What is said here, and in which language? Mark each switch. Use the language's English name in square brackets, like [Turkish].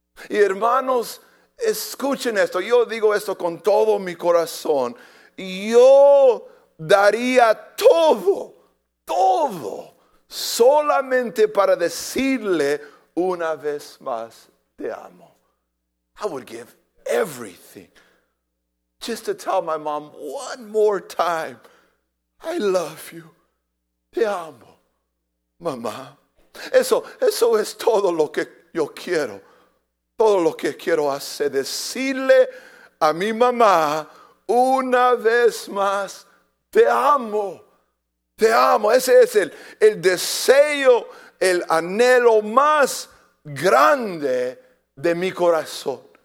[Spanish] Y hermanos, escuchen esto. Yo digo esto con todo mi corazón. Yo daría todo, todo, solamente para decirle una vez más, te amo. [English] I would give everything just to tell my mom one more time, I love you, [Spanish] te amo. Mamá, eso es todo lo que yo quiero. Todo lo que quiero hacer, decirle a mi mamá una vez más, te amo, te amo. Ese es el deseo, el anhelo más grande de mi corazón.